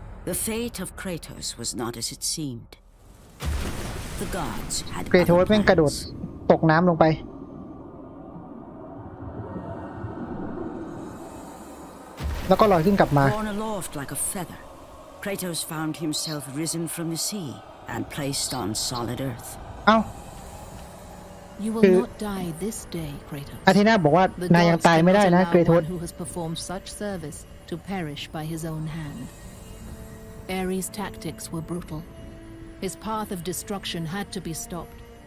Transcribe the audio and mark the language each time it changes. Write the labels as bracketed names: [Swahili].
[English] The fate of Kratos was not as it seemed. The gods had Kratos [Thai] แม่งกระโดดตกน้ำลงไปแล้วก็ลอยขึ้นกลับมา [English] Born aloft like a feather, Kratos found himself risen from the sea and placed on solid earth. [Thai] เอ้า [English] You will not die this day, Kratos. [Thai] อาเทน่าบอกว่านายยังตายไม่ได้นะเกรโธส [English] who has performed such service to perish by his own hand. Ares' tactics were brutal. His path of destruction had to be stopped.